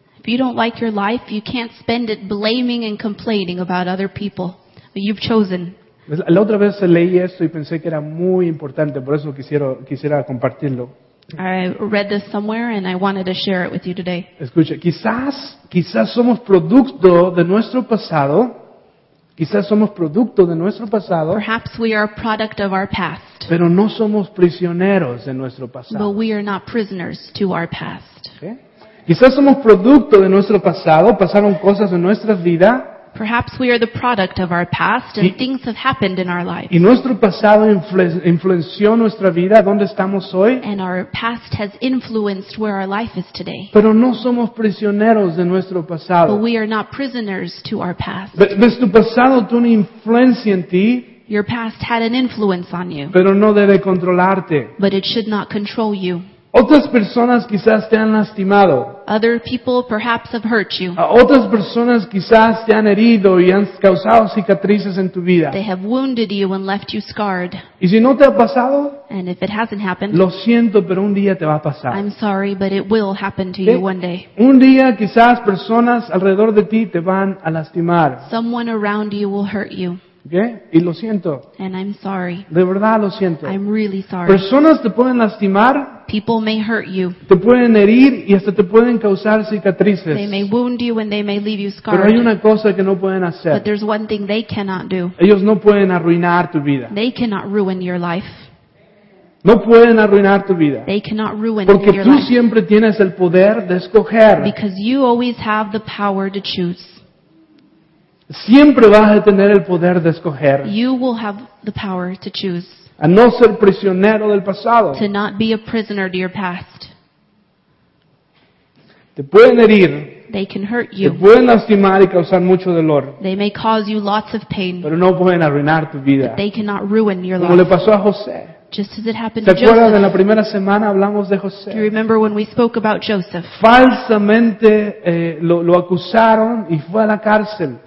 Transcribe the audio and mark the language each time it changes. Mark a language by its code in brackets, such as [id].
[en] If you don't like your life, you can't spend it blaming and complaining about other people. You've chosen. [es] La otra vez leí esto y pensé que era muy importante, por eso quisiera compartirlo. [en] I read this somewhere and I wanted to share it with you today. [es] Escucha, quizás somos producto de nuestro pasado. Quizás somos producto de nuestro pasado. [en] Perhaps we are a product of our past. [es] Pero no somos prisioneros de nuestro pasado. [en] But we are not prisoners to our past. [es] Okay. Quizás somos producto de nuestro pasado. Pasaron cosas en nuestra vida. [en] Perhaps we are the product of our past and things have happened in our life. [es] Y nuestro pasado influenció nuestra vida, ¿dónde estamos hoy? [en] And our past has influenced where our life is today. [es] Pero no somos prisioneros de nuestro pasado. [en] But we are not prisoners to our past. [es] ¿Ves? Tu pasado tuvo una influencia en ti. [en] Your past had an influence on you. [es] Pero no debe controlarte. [en] But it should not control you. [es] Otras personas quizás te han lastimado. [en] Other people perhaps have hurt you. [es] Otras personas quizás te han herido y han causado cicatrices en tu vida. [en] They have wounded you and left you scarred. [es] Y si no te ha pasado, [en] and if it hasn't happened, [es] lo siento, pero un día te va a pasar. [en] I'm sorry, but it will happen to you one day. [es] Un día quizás personas alrededor de ti te van a lastimar. [en] Someone around you will hurt you. [es] ¿Okay? Y lo siento. [en] And I'm sorry. [es] De verdad lo siento. [en] I'm really sorry. [es] Personas te pueden lastimar. [en] People may hurt you. [es] Te pueden herir y hasta te pueden causar cicatrices. [en] They may wound you and they may leave you scarred. [es] Pero hay una cosa que no pueden hacer. [en] But there's one thing they cannot do. [es] Ellos no pueden arruinar tu vida. [en] They cannot ruin your life. [es] No pueden arruinar tu vida. [en] They cannot ruin [es] Porque [en] your [es] tú [en] life. [es] Siempre tienes el poder de escoger. [en] Because you always have the power to choose. [es] Siempre vas a tener el poder de escoger. [en] You will have the power to choose. [es] A no ser prisionero del pasado. [en] To not be a prisoner to your past. [es] Te pueden herir. [en] They can hurt you. [es] Te pueden lastimar y causar mucho dolor. [en] They may cause you lots of pain. [es] Pero no pueden arruinar tu vida. [en] But they cannot ruin your [es] Como [en] life. [es] Como le pasó a José. [en] Just as it happened [es] ¿Te [en] to Joseph. [es] En la primera semana hablamos de José? [en] Do you remember when we spoke about Joseph? [es] Falsamente lo acusaron y fue a la cárcel.